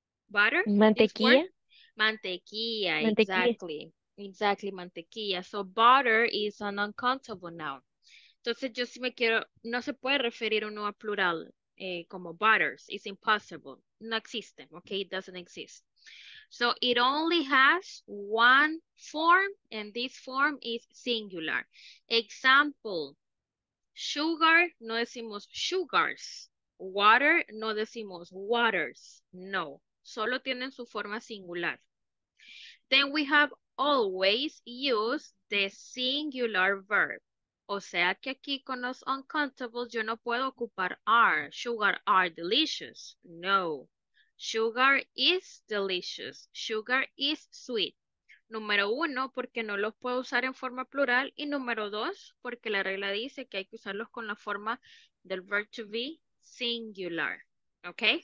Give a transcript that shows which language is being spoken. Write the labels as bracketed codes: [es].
[en] Butter? [es] Mantequilla. Mantequilla. Exactly. Exactly, mantequilla. [en] So butter is an uncountable noun. [es] Entonces yo sí me quiero, no se puede referir uno a plural como butters. [en] It's impossible. [es] No existe. [en] Okay, it doesn't exist. So it only has one form, and this form is singular. Example, sugar, [es] no decimos sugars. Water, no decimos waters. No, solo tienen su forma singular. [en] Then we have always use the singular verb. [es] O sea que aquí con los uncountables yo no puedo ocupar are. [en] Sugar are delicious. No. Sugar is delicious. Sugar is sweet. [es] Número uno, porque no los puedo usar en forma plural. Y número dos, porque la regla dice que hay que usarlos con la forma del verb to be singular. ¿Ok?